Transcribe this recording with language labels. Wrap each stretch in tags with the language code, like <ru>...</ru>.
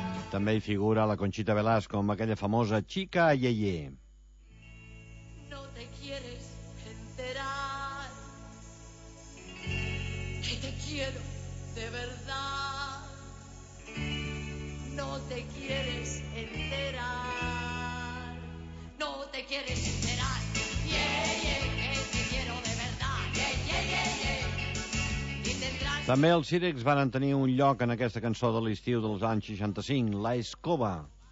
<ca>També hi figura la Conchita Velasco amb aquella famosa Chica Yeye.</ca> <es>No te quieres enterar que te quiero de verdad. No te quieres enterar. No te quieres enterar. Yeye, yeah, yeah, que te quiero de verdad. Yeye, yeah, yeah, yeah, yeah.</es> <ca>També els Sirex van tenir un lloc en aquesta cançó de l'estiu dels anys 65, La Escoba.</ca>